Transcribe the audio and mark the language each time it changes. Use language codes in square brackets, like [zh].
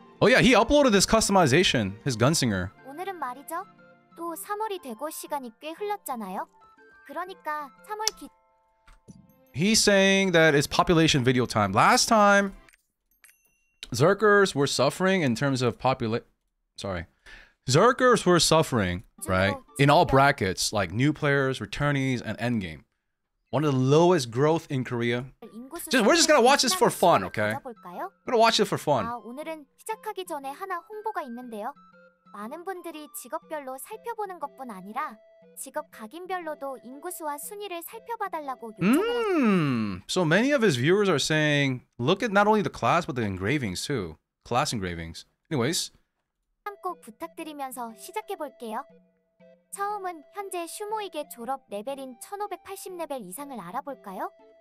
[en] Oh yeah, he uploaded this customization, his gunslinger. [ko] 오늘은 말이죠. 또 3월이 되고 시간이 꽤 흘렀잖아요. 그러니까 3월 기 [en] He's saying that it's population video time. Last time, Zerkers were suffering in terms of Zerkers were suffering, right? In all brackets, like new players, returnees, and endgame. One of the lowest growth in Korea. We're just gonna watch this for fun, okay? We're gonna watch it for fun. [ko] 오늘은 시작하기 전에 하나 홍보가 있는데요. 많은 분들이 직업별로 살펴보는 것뿐 아니라 직업 각인별로도 인구수와 순위를 살펴봐달라고 [en] So many of his viewers are saying, look at not only the class but the engravings too. Class engravings. Anyways. [ko] 참고 부탁드리면서 시작해 볼게요. 처음은 현재 슈모익의 졸업 레벨인 1580 레벨 이상을 알아볼까요?